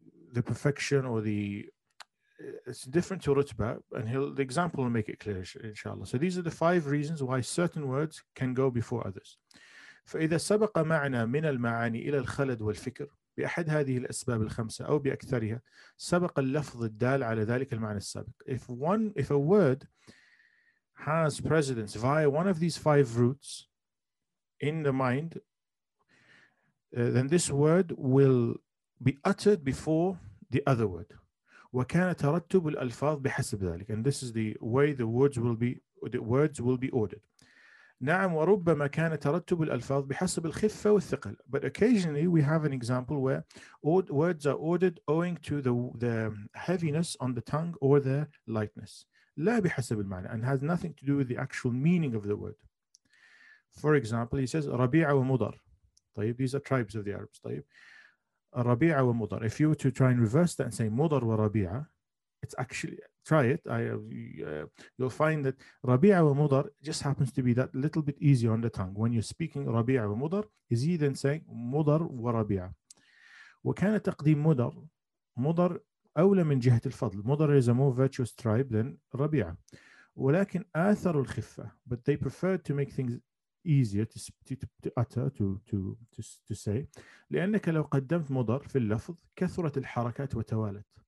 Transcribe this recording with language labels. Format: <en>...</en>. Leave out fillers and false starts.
<en>the perfection or the, it's different to rutba, and he'll, the example will make it clear, inshallah. So these are the five reasons why certain words can go before others.</en> <ar>فإذا سبق معنا من المعاني إلى الخلد والفكر بأحد هذه الأسباب الخمسة أو بأكثرها سبق اللفظ الدال على ذلك المعنى السابق.</ar> <en>If a word has precedence via one of these five roots in the mind, then this word will be uttered before the other word.</en> <ar>وكان ترتب الألفاظ بحسب ذلك.</ar> <en>And this is the way the words will be ordered.</en> <ar>نعم وربما كان ترتب الألفاظ بحسب الخفة والثقل.</ar> <en>But occasionally we have an example where words are ordered owing to the heaviness on the tongue or the lightness.</en> <ar>لا بحسب المعنى,</ar> <en>and has nothing to do with the actual meaning of the word. For example, he says</en> <ar>ربيع ومضر.</ar> <en>طيب, these are tribes of the Arabs.</en> <ar>طيب, ربيع ومضر.</ar> <en>If you were to try and reverse that and say</en> <ar>مضر وربيع,</ar> <en>it's actually, try it, you'll find that Rabi'a wa Mudar just happens to be that little bit easier on the tongue. When you're speaking Rabi'a wa Mudar, is he then saying Mudar wa Rabi'a?</en> <ar>وَكَانَ تَقْدِيمُ Mudar, Mudar أَوْلَى مِنْ جِهَةِ الْفَضْلِ.</ar> <en>Mudar is a more virtuous tribe than Rabi'a.</en> <ar>وَلَكِنْ آثَرُ الْخِفَّةِ,</ar> <en>but they preferred to make things easier to utter, to say.</en> <ar>لِأَنَّكَ لَوْ قَدَّمْتْ Mudar فِي اللَّفْضِ كَثُرَتِ الْحَرَكَاتِ وَتَوَالَتْ.</ar>